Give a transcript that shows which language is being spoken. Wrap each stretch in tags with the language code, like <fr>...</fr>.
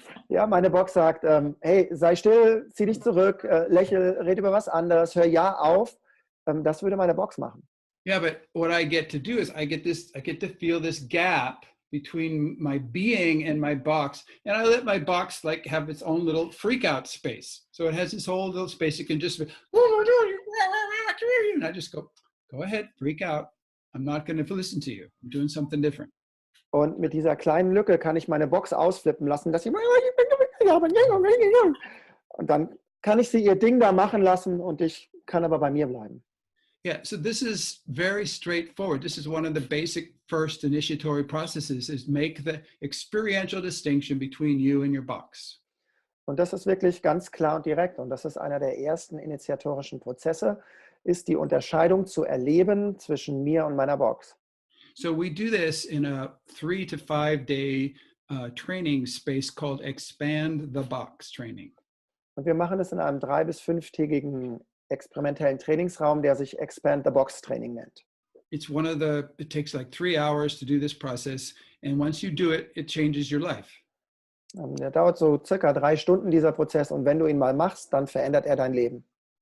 <de>Ja, meine Box sagt, hey, sei still, zieh dich zurück, lächel, red über was anderes, hör ja auf. Das würde meine Box machen.</de> <en>Yeah, but what I get to do is I get to feel this gap between my being and my box. And I let my box like have its own little freak out space. So it has its whole little space. It can just be, and I just go ahead, freak out. I'm not going to listen to you. I'm doing something different.</en> <de>Und mit dieser kleinen Lücke kann ich meine Box ausflippen lassen, dass sie und dann kann ich sie ihr Ding da machen lassen und ich kann aber bei mir bleiben.</de> <en>Yeah, so this is very straightforward. This is one of the basic first initiatory processes, is make the experiential distinction between you and your box.</en> <de>Und das ist wirklich ganz klar und direkt und das ist einer der ersten initiatorischen Prozesse, ist die Unterscheidung zu erleben zwischen mir und meiner Box.</de> <en>So we do this in a 3-to-5-day training space called Expand the Box Training.</en> <de>Und wir machen es in einem 3-bis-5-tägigen experimentellen Trainingsraum, der sich Expand the Box Training nennt.</de> <en>It's one of the, it takes like 3 hours to do this process, and once you do it, it changes your life.</en> <de>Der dauert so circa 3 Stunden, dieser Prozess, und wenn du ihn mal machst, dann verändert er dein Leben.</de>